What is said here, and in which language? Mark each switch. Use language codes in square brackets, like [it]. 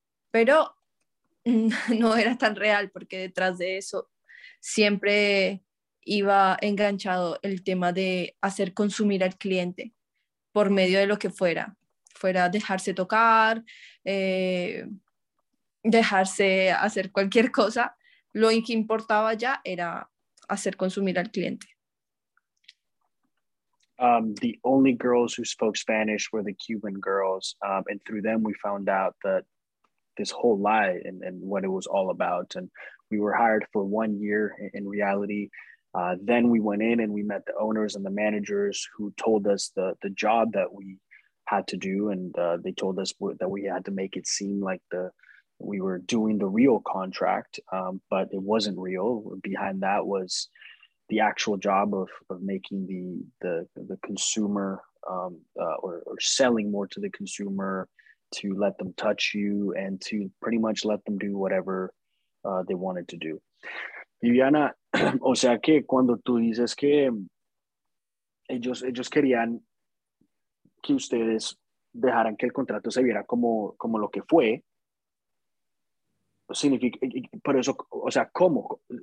[es] Pero no era tan real, porque detrás de eso siempre iba enganchado el tema de hacer consumir al cliente por medio de lo que fuera. Fuera dejarse tocar, dejarse hacer cualquier cosa, lo que importaba ya era hacer consumir al cliente. [en] The only girls who spoke Spanish were the Cuban girls, and through them we found out that this whole lie and what it was all about. And we were hired for 1 year in reality. Then we went in and we met the owners and the managers, who told us the job that we had to do, and they told us that we had to make it seem like we were doing the real contract, but it wasn't real. Behind that was the actual job of making the consumer or selling more to the consumer, to let them touch you and to pretty much let them do whatever they wanted to do. [es] Viviana, o sea que cuando tú dices que ellos querían que ustedes dejaran que el contrato se viera como lo que fue, significa, por eso, o sea, ¿cómo?